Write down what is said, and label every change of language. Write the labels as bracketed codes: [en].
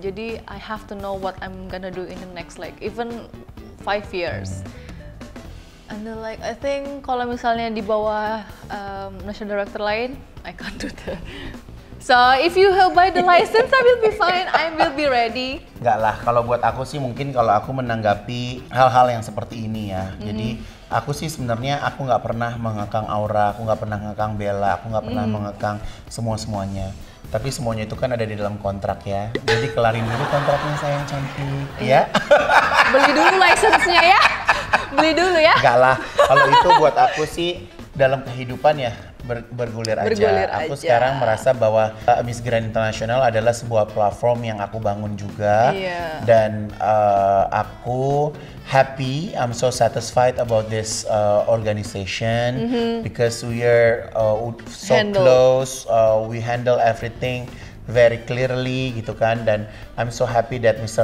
[en] Jadi I have to know what I'm gonna do in the next like even 5 years. And then like I think [id] kalau misalnya di bawah national director lain, [en] I can't do that. So if you have buy the license, I will be fine. I will be ready. [id] Enggak lah, kalau buat aku sih mungkin kalau aku menanggapi hal-hal yang seperti ini ya. Jadi aku sih sebenarnya aku nggak pernah mengekang Aura, aku nggak pernah mengekang Bella, aku nggak pernah mengekang semuanya. Tapi semuanya itu kan ada di dalam kontrak ya. Jadi kelarin dulu kontraknya sayang cantik, ya. Beli dulu license-nya ya. Beli dulu ya. Enggak lah, kalau itu buat aku sih dalam kehidupan ya. Bergulir aja. Aku sekarang merasa bahwa Miss Grand International adalah sebuah platform yang aku bangun juga. Dan aku [en] happy, I'm so satisfied about this organization. Because we are so close, we handle everything very clearly [id] gitu kan. [en] Dan I'm so happy that Mr.